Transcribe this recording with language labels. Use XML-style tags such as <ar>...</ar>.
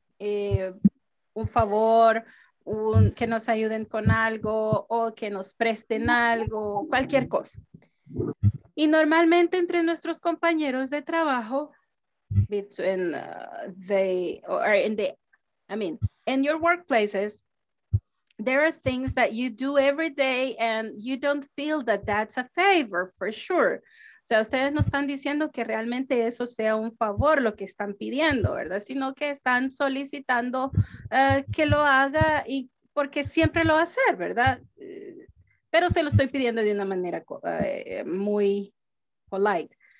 <es>Un favor, que nos ayuden con algo o que nos presten algo, cualquier cosa. Y normalmente entre nuestros compañeros de trabajo,</es> <en>in your workplaces, there are things that you do every day and you don't feel that that's a favor for sure.</en> <es>O sea, ustedes no están diciendo que realmente eso sea un favor lo que están pidiendo, ¿verdad? Sino que están solicitando que lo haga y porque siempre lo va a hacer, ¿verdad? Pero se lo estoy pidiendo de una manera muy polite.</es>